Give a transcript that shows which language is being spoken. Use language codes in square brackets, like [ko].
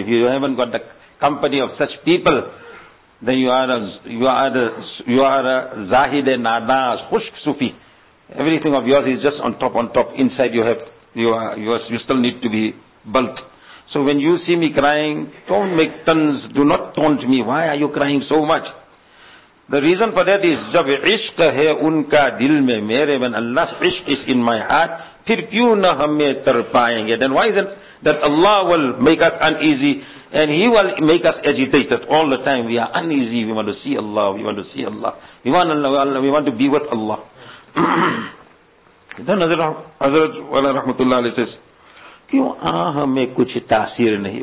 [en] If you haven't got the company of such people, then you are a [ur] zahid e nada, khushk sufi. [en] Everything of yours is just on top. Inside you still need to be bulk. So when you see me crying, don't make tons, do not taunt me. Why are you crying so much? The reason for that is, [ur] جب عشق ہے ان کا دل میں میرے, [en] when Allah's [ur] عشق [en] is in my heart, [ur] پھر کیوں نہ ہمیں ترپائیں گے. [en] Then why is it that Allah will make us uneasy and He will make us agitated all the time? We are uneasy, we want to see Allah, we want to see Allah, we want Allah, we want to be with Allah. Then Hazrat wala rahmatullah alayhi says, [ur] کیوں آہ ہمیں کچھ تاثیر نہیں.